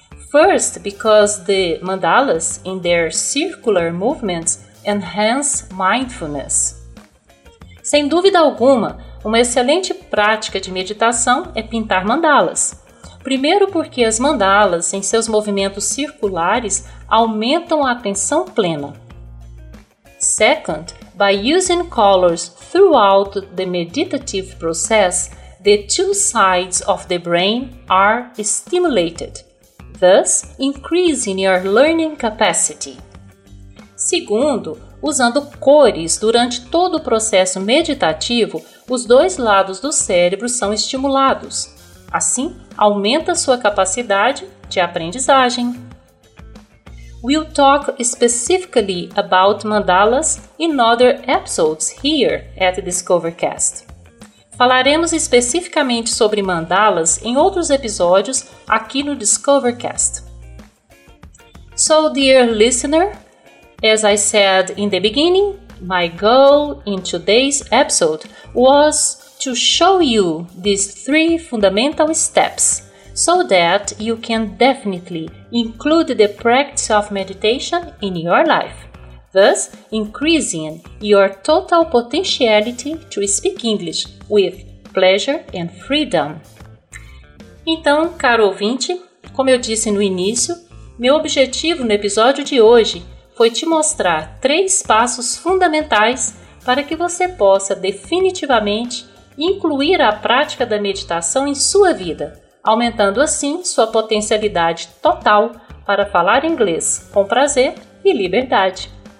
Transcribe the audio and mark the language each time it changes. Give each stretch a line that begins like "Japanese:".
English: First, because the mandalas, in their circular movements, enhance mindfulness.
Portuguese: Sem dúvida alguma, uma excelente prática de meditação é pintar mandalas. Primeiro porque as mandalas, em seus movimentos circulares, aumentam a atenção plena.
English: Second, by using colors throughout the meditative process, the two sides of the brain are stimulated, thus increasing your learning capacity.
Portuguese: Segundo, usando cores durante todo o processo meditativo, os dois lados do cérebro são estimulados. Assim, aumenta sua capacidade de aprendizagem.
English: We'll talk specifically about mandalas in other episodes here at DiscoverCast.
Portuguese: Falaremos especificamente sobre mandalas em outros episódios aqui no DiscoverCast.
English: So, dear listener, as I said in the beginning, my goal in today's episode was to show you these three fundamental steps so that you can definitely include the practice of meditation in your life, thus increasing your total potentiality to speak English with pleasure and freedom.
Portuguese: Então, caro ouvinte, como eu disse no início, meu objetivo no episódio de hoje foi te mostrar três passos fundamentais para que você possa definitivamente incluir a prática da meditação em sua vida, aumentando assim sua potencialidade total para falar inglês com prazer e liberdade.